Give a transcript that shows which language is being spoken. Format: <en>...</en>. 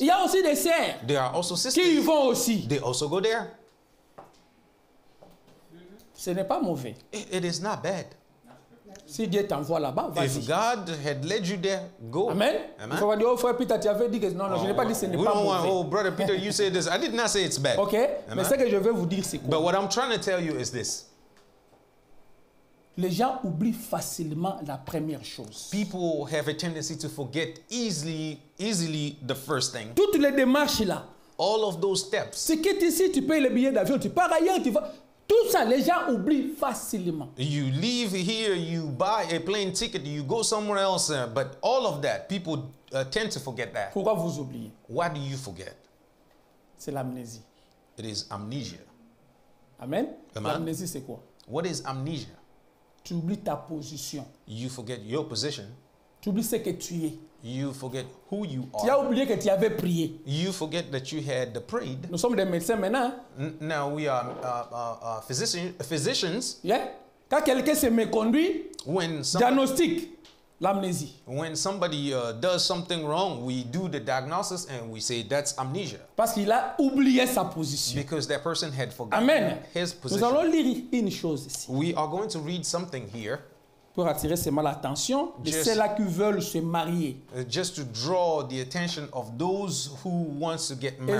<fr>Il y a aussi des sœurs.</fr> <en>There are also sisters.</en> <fr>Qui y vont aussi.</fr> <en>They also go there.</en> <fr>Ce n'est pas mauvais.</fr> <en>It is not bad.</en> <fr>Si Dieu t'envoie là-bas, vas-y.</fr> <en>If God had led you there, go. Amen. Amen.</en> <fr>Il faut dire, oh, frère Peter, tu avais dit que non, non, je n'ai pas dit ce n'est pas mauvais.</fr> <en>Oh, brother Peter, you said this. I did not say it's bad. Okay. Amen.</en> <fr>Mais ce que je veux vous dire, c'est quoi?</fr> <en>But what I'm trying to tell you is this.</en> <fr>Les gens oublient facilement la première chose.</fr> <en>People have a tendency to forget easily the first thing.</en> <fr>Toutes les démarches là.</fr> <en>All of those steps.</en> <fr>Ce qui est ici, tu payes le billet d'avion, tu pars ailleurs, tu vas. Tout ça, les gens oublient facilement.</fr> <en>You leave here, you buy a plane ticket, you go somewhere else, but all of that, people tend to forget that.</en> <fr>Pourquoi vous oubliez?</fr> <en>What do you forget?</en> <fr>C'est l'amnésie.</fr> <en>It is amnesia. Amen. Amen.</en> <fr>L'amnésie, c'est quoi?</fr> <en>What is amnesia?</en> <fr>Tu oublies ta position.</fr> <en>You forget your position.</en> <fr>Tu oublies ce que tu es.</fr> <en>You forget who you are.</en> <fr>Tu as oublié que tu avais prié.</fr> <en>You forget that you had prayed.</en> <fr>Nous sommes des médecins maintenant.</fr> <en>Now we are physicians.</en> <fr>Yeah. Quand quelqu'un se méconduit, diagnostic, l'amnésie.</fr> <en>When somebody does something wrong, we do the diagnosis and we say that's amnesia.</en> <fr>Parce qu'il a oublié sa position.</fr> <en>Because that person had forgotten his position.</en> <fr>Nous allons lire une chose ici.</fr> <en>We are going to read something here.</en> <fr>Pour attirer seulement l'attention de ceux-là qui veulent se marier.</fr> <en>Just to draw the attention of those who want to get married.</en>